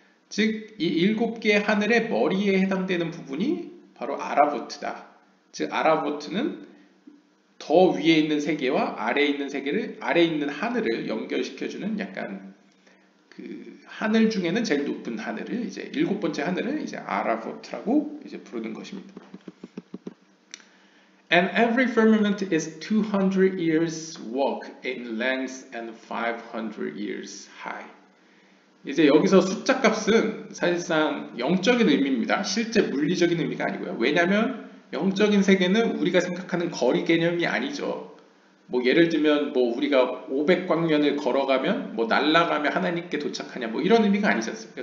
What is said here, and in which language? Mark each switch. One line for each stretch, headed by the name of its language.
Korean: 즉 이 일곱 개의 하늘의 머리에 해당되는 부분이 바로 아라보트다. 즉 아라보트는 더 위에 있는 세 개와 아래에 있는 세 개를 아래에 있는 하늘을 연결시켜 주는 약간 그 하늘 중에는 제일 높은 하늘을 이제 일곱 번째 하늘을 이제 아라보트라고 이제 부르는 것입니다.
English: And every firmament is 200 years walk in length and 500 years high.
Korean: 이제 여기서 숫자 값은 사실상 영적인 의미입니다. 실제 물리적인 의미가 아니고요. 왜냐하면 영적인 세계는 우리가 생각하는 거리 개념이 아니죠. 뭐 예를 들면 뭐 우리가 500광년을 걸어가면 뭐 날아가면 하나님께 도착하냐 뭐 이런 의미가 아니지 않습니까?